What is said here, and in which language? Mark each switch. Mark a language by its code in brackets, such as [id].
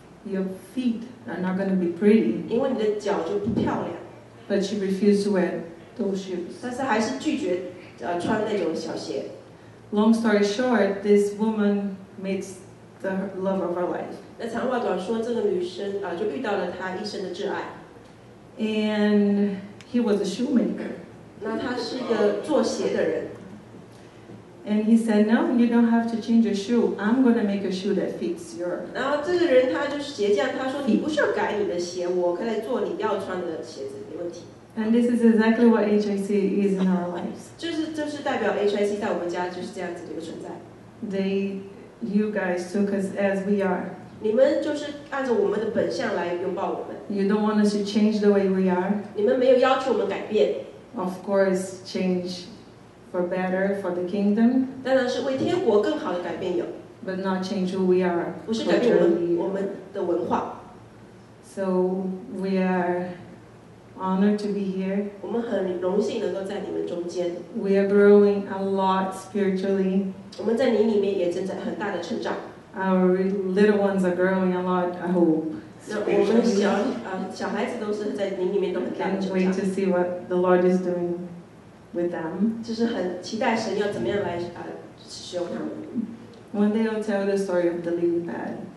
[en] your feet are not going to be pretty. [zh] 因为你的脚就不漂亮。 [en] But she refused to wear those shoes. [zh] 但是还是拒绝穿那种小鞋。 [en] Long story short, this woman meets the love of her life. [zh] 那长话短说，这个女生就遇到了她一生的挚爱。 [en] And he was a shoemaker. [zh] 那他是一个做鞋的人。 [en] And he said, "No, you don't have to change your shoe. I'm going to make a shoe that fits your." [zh] 然后这个人他就是鞋匠，他说你不需要改你的鞋，我可以做你要穿的鞋子，没问题。 [en] And this is exactly what HIC is in our lives. [zh] 就是代表 HIC 在我们家就是这样子的一个存在。 [en] They, you guys took us as we are. [zh] 你们就是按照我们的本相来拥抱我们。 [en] You don't want us to change the way we are. [zh] 你们没有要求我们改变。 [en] Of course, change for better for the kingdom. [zh] 当然是为天国更好的改变有。 [en] But not change who we are. [zh] 不是改变我们的文化。 [en] So we are. Honored to be here. [zh] 我们很荣幸能够在你们中间。 [en] We are growing a lot spiritually. [zh] 我们在你里面也正在很大的成长。 [en] Our little ones are growing a lot. I hope. [zh] 那我们小孩子都是在你里面都很大的成长。 [en] Can't wait to see what the Lord is doing with them. [zh] 就是很期待神要怎么样来使用他们。 [en] One day I'll tell the story of the lily pad.